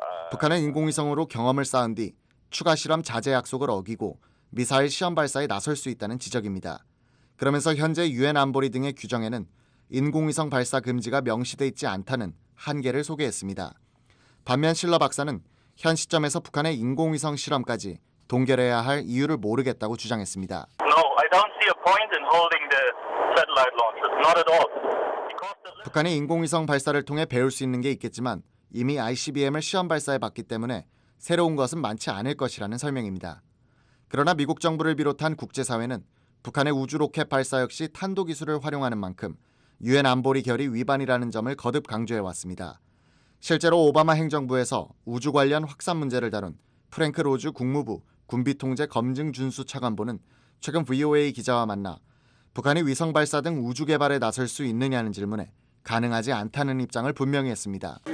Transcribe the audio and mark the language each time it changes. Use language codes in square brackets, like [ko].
[ko] 북한은 인공위성으로 경험을 쌓은 뒤 추가 실험 자제 약속을 어기고 미사일 시험 발사에 나설 수 있다는 지적입니다. 그러면서 현재 유엔 안보리 등의 규정에는 인공위성 발사 금지가 명시되어 있지 않다는 한계를 소개했습니다. 반면 실러 박사는 현 시점에서 북한의 인공위성 실험까지 동결해야 할 이유를 모르겠다고 주장했습니다. [en] No, I don't see a point in holding the satellite launches. Not at all. [ko] 북한이 인공위성 발사를 통해 배울 수 있는 게 있겠지만 이미 ICBM을 시험 발사해 봤기 때문에 새로운 것은 많지 않을 것이라는 설명입니다. 그러나 미국 정부를 비롯한 국제사회는 북한의 우주 로켓 발사 역시 탄도 기술을 활용하는 만큼 유엔 안보리 결의 위반이라는 점을 거듭 강조해 왔습니다. 실제로 오바마 행정부에서 우주 관련 확산 문제를 다룬 프랭크 로즈 국무부 군비통제 검증 준수 차관보는 최근 VOA 기자와 만나 북한이 위성 발사 등 우주 개발에 나설 수 있느냐는 질문에 가능하지 않다는 입장을 분명히 했습니다.